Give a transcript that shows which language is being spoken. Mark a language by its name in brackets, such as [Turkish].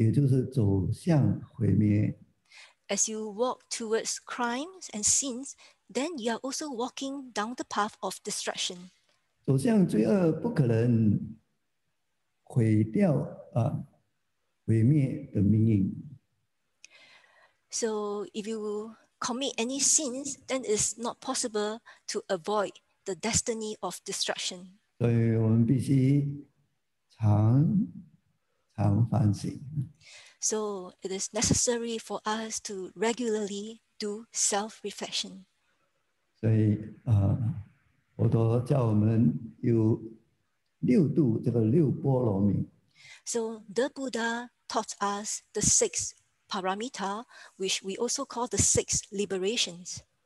[Chinese] 当你走向罪恶的时候，同时也就是走向毁灭。 [English] As you walk towards crimes and sins, then you are also walking down the path of destruction. [Chinese] 走向罪恶不可能毁掉。毁灭的命运。 [English] So if you commit any sins, then it's not possible to avoid the destiny of destruction. [Chinese] 所以我们必须常反省。 [English] So it is necessary for us to regularly do self-reflection. [Chinese] 所以佛陀教我们有六度这个六波罗蜜。 [English] So the Buddha taught us the six paramita, which we also call the six liberations.